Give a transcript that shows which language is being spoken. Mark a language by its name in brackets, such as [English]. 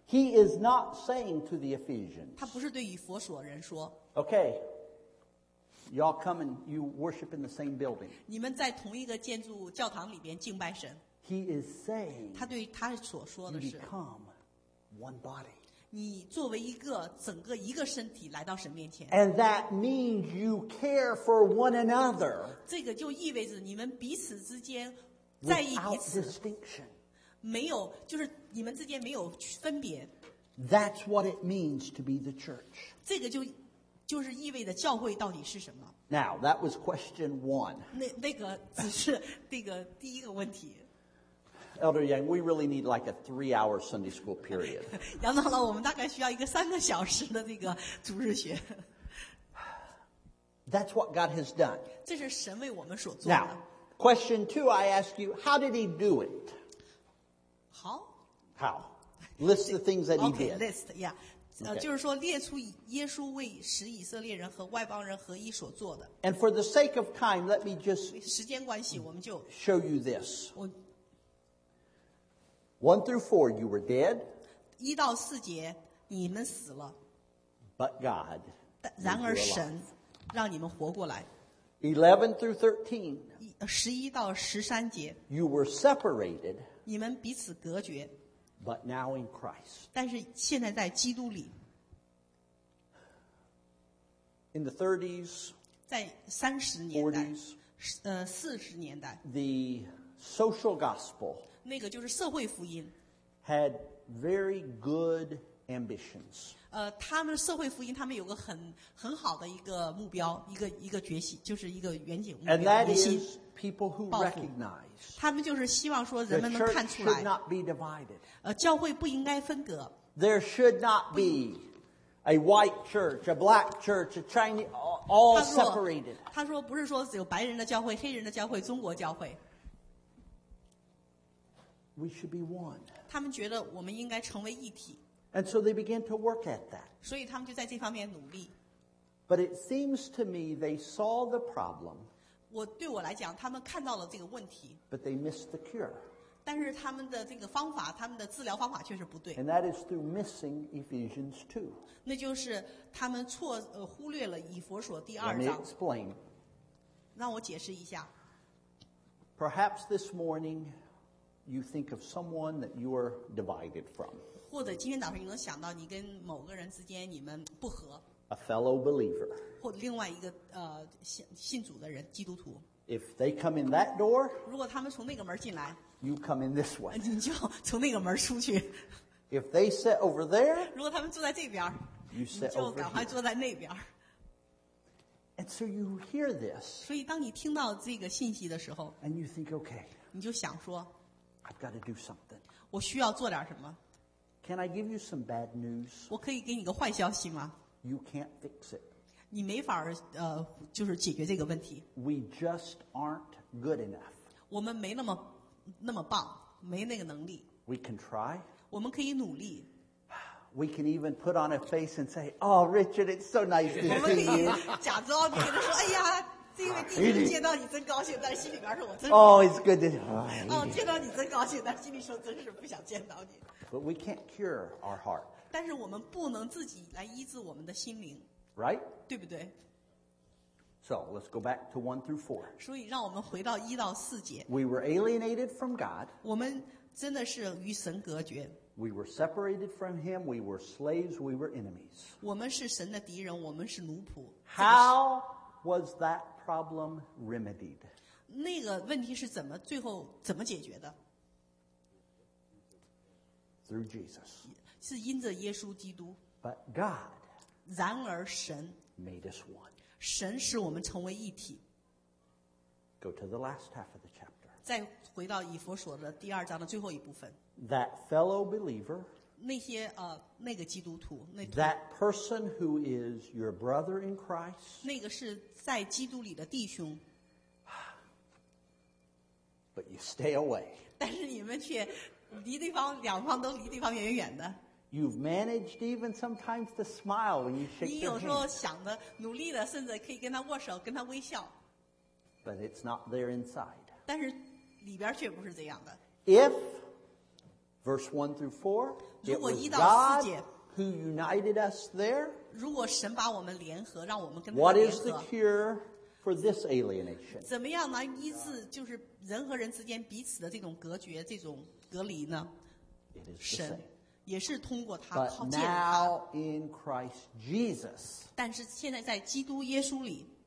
[English] He is not saying to the Ephesians, [Chinese] 他不是对以弗所人说 [English] okay. Y'all come and you worship in the same building. [Chinese] 你们在同一个建筑教堂里边敬拜神。 [English] He is saying, [Chinese] 他对他所说的是 [English] you become one body. [Chinese] 你作为一个整个一个身体来到神面前。 [English] And that means you care for one another. [Chinese] 这个就意味着你们彼此之间在意彼此。 [English] Without distinction. [Chinese] 没有，就是你们之间没有分别。 [English] That's what it means to be the church. [Chinese] 这个就是意味着教会到底是什么。 [English] Now, that was question one. [Chinese] 那个只是那个第一个问题。 [English] Elder Yang, we really need like a 3-hour Sunday school period. [Chinese] 杨长老，我们大概需要一个三个小时的这个主日学。 [English] That's what God has done. [Chinese] 这是神为我们所做的。 [English] Now, question two, I ask you, how did he do it? How? List the things that he did. Okay, list, yeah. Okay. [Chinese] 就是说列出耶稣为使以色列人和外邦人合一所做的。 [English] And for the sake of time, let me just [Chinese] 时间关系我们就 [English] show you this. 1 through 4, you were dead. [Chinese] 一到四节你们死了。 [English] But God, [Chinese] 然而神让你们活过来。 [English] 11 through 13, [Chinese] 11到13节 [English] you were separated. [Chinese] 你们彼此隔绝。 [English] But now in Christ. [Chinese] 但是现在在基督里。 [English] In the 30s, [Chinese] 在三十年代 [English] 40s, [Chinese] 四十年代 [English] the social gospel [Chinese] 那个就是社会福音 [English] had very good ambitions. [Chinese] 他们社会福音他们有个很好的一个目标一个决心就是一个远景目标 [English] And that is people who recognize [Chinese] 他们就是希望说人们能看出来 [English] The church should not be divided. [Chinese] 教会不应该分隔 [English] There should not be a white church, a black church, a Chinese, all separated. [Chinese] 他说不是说只有白人的教会黑人的教会中国教会 [English] We should be one. [Chinese] 他们觉得我们应该成为一体 [English] And so they began to work at that. [Chinese] 所以他们就在这方面努力。 [English] But it seems to me they saw the problem. [Chinese] 对我来讲，他们看到了这个问题。 [English] But they missed the cure. [Chinese] 但是他们的这个方法，他们的治疗方法确实不对。 [English] And that is through missing Ephesians 2. [Chinese] 那就是他们错忽略了以弗所第二章。 [English] Let me explain. [Chinese] 让我解释一下。 [English] Perhaps this morning you think of someone that you are divided from. [Chinese] 或者今天早上你能想到你跟某个人之间你们不和。 [English] A fellow believer. [Chinese] 或另外一个信主的人，基督徒。 [English] If they come in that door, [Chinese] 如果他们从那个门进来， [English] you come in this one. [Chinese] 你就从那个门出去。 [English] If they sit over there, [Chinese] 如果他们坐在这边， [English] you sit over here. [Chinese] 你就赶快坐在那边。 [English] And so you hear this. [Chinese] 所以当你听到这个信息的时候， [English] and you think, okay, [Chinese] 你就想说， [English] I've got to do something. [Chinese] 我需要做点什么。 [English] Can I give you some bad news? [Chinese] 我可以给你个坏消息吗？ [English] You can't fix it. [Chinese] 你没法就是解决这个问题。 [English] We just aren't good enough. [Chinese] 我们没那么棒，没那个能力。 [English] We can try. [Chinese] 我们可以努力。 [English] We can even put on a face and say, "Oh, Richard, it's so nice to see you." [Chinese] 假装你跟他说，哎呀，这位弟兄见到你真高兴，但心里边说，我真 [English] Oh, it's good to. [Chinese] 见到你真高兴，但心里说真是不想见到你。 [English] But we can't cure our heart. [Chinese] 但是我们不能自己来医治我们的心灵 [English] ，right？ [Chinese] 对不对 [English] ？So let's go back to 1-4. [Chinese] 所以让我们回到一到四节。 [English] We were alienated from God. [Chinese] 我们真的是与神隔绝。 [English] We were separated from Him. We were slaves. We were enemies. [Chinese] 我们是神的敌人，我们是奴仆。 [English] How was that problem remedied？ [Chinese] 那个问题是怎么最后怎么解决的 [English] ？Through Jesus. [Chinese] 是因着耶稣基督 [English] But God [Chinese] 然而神 [English] made us one [Chinese] 神使我们成为一体 [English] Go to the last half of the chapter [Chinese] 再回到以弗所的第二章的最后一部分 [English] That fellow believer [Chinese] 那些那个基督徒 [English] That person who is your brother in Christ [Chinese] 那个是在基督里的弟兄 [English] But you stay away [Chinese] 但是你们却离对方两方都离对方远远的 [English] You've managed even sometimes to smile when you shake your hand. [Chinese] 你有时候想的努力的甚至可以跟他握手跟他微笑 [English] But it's not there inside. [Chinese] 但是里边却不是这样的 [English] If verse 1-4 it was God who united us there [Chinese] 如果神把我们联合让我们跟他联 [English] 合 What is the cure for this alienation? [Chinese] 怎么样来医治就是人和人之间彼此的这种隔绝这种隔离呢？神也是通过他靠近他。 [English] But now in Christ Jesus， [Chinese] 但是现在在基督耶稣里